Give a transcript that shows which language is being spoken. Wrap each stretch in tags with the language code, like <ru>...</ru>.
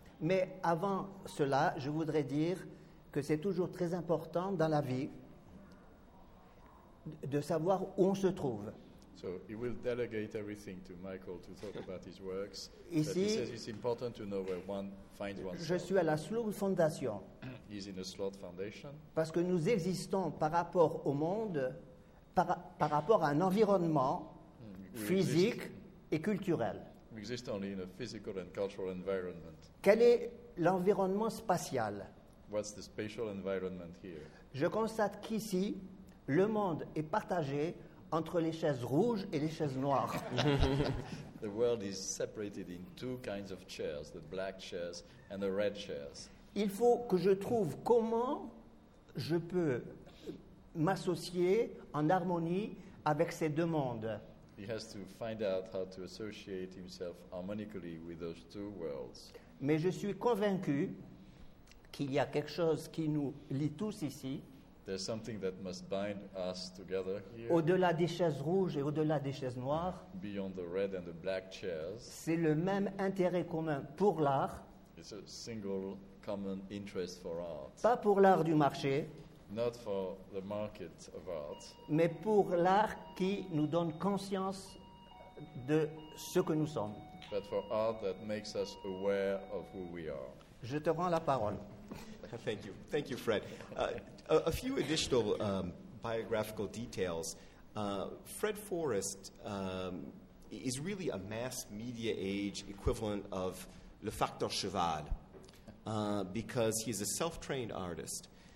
<fr>Mais avant cela, je voudrais dire que c'est toujours très important dans la vie de savoir où on se trouve.</fr> <en>So he will delegate everything to Michael to talk about his works.</en> <fr>Ici,</fr> <en>but he says it's important to know where one finds oneself.</en> <fr>Je suis à la Slot Foundation.</fr> <en>He's in the Slot Foundation.</en> <fr>Parce que nous existons par rapport au monde, par rapport à un environnement physique et culturel.</fr> <en>We exist only in a physical and cultural environment.</en> <fr>Quel est l'environnement spatial?</fr> <en>What's the spatial environment here?</en> <fr>Je constate qu'ici, le monde est partagé entre les chaises rouges et les chaises noires.</fr> <en>The world is separated in two kinds of chairs, the black chairs and the red chairs.</en> <fr>Il faut que je trouve comment je peux m'associer en harmonie avec ces deux mondes.</fr> <en>He has to find out how to associate himself harmonically with those two worlds.</en> <fr>Mais je suis convaincu qu'il y a quelque chose qui nous lie tous ici.</fr> <en>There's something that must bind us together here.</en> <fr>Au-delà des chaises rouges et au-delà des chaises noires.</fr> <en>Beyond the red and the black chairs.</en> <fr>C'est le même intérêt commun pour l'art.</fr> <en>It's a single common interest for art.</en> <fr>Pas pour l'art du marché.</fr> <en>Not for the market of art.</en> <fr>Mais pour l'art qui nous donne conscience de ce que nous sommes.</fr> <en>But for art that makes us aware of who we are.</en> <fr>Je te rends la parole.</fr> <en>Thank you. Thank you, Fred. A few additional biographical details. Fred Forrest is really a mass media age equivalent of Le Facteur Cheval because he's a self-trained artist.</en>